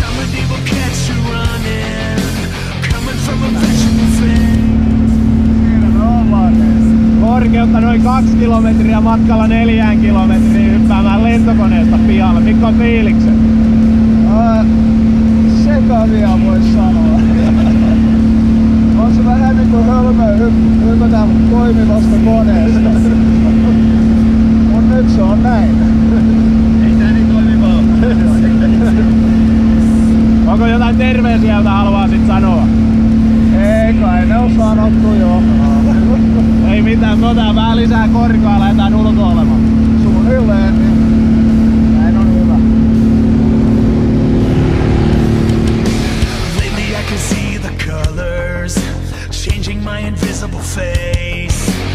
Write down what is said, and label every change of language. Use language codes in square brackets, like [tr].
[en] They will catch you running, coming from a vision fence. [fi] Korkeutta noin 2 kilometriä matkalla 4 kilometriä hyppäämään lentokoneesta pihalle. Mikko on fiilikset? Sekavia voisi sanoa. On se vähän niin kuin hölmö hypätä toimivasta koneesta. Mut nyt se on näin. Ei tää niin toimivaa. Onko jotain terveisiä, jota haluaisit sanoa? Ei kai, ne on sanottu jo. Ei mitään, me otetaan vähän lisää korkoa, lähdetään ulko olemaan. Suunnilleen, niin näin on hyvä. [en] Lately I can see the colors, changing my invisible face.